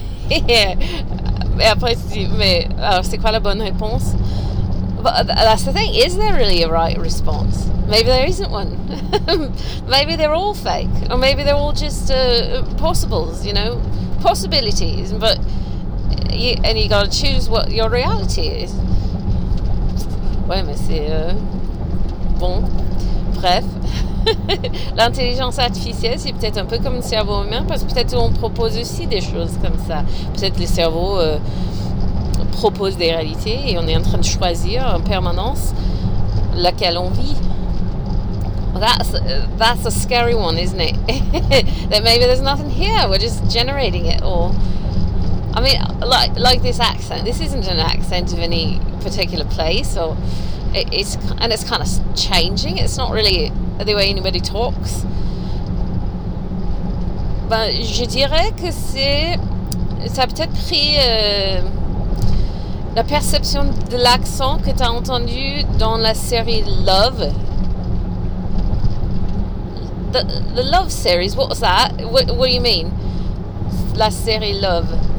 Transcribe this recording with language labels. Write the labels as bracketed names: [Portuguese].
[French] Et après, tu dis, mais alors, c'est quoi la bonne réponse? [English] But that's the thing, is there really a right response? Maybe there isn't one. Maybe they're all fake, or maybe they're all just possibles, you know, possibilities, but you got to choose what your reality is. [French] Ouais, mais c'est bon. Bref, l'intelligence artificielle, c'est peut-être un peu comme le cerveau humain, parce que peut-être on propose aussi des choses comme ça. Peut-être le cerveau propose des réalités et on est en train de choisir en permanence laquelle on vit. [English] That's a scary one, isn't it? That maybe there's nothing here, we're just generating it all. I mean, like this accent, this isn't an accent of any particular place, or it's kind of changing. It's not really the way anybody talks. [French] Ben, je dirais que c'est, ça a peut-être pris la perception de l'accent que t'as entendu dans la série Love. [English] The Love series, what was that? What do you mean? [French] La série Love.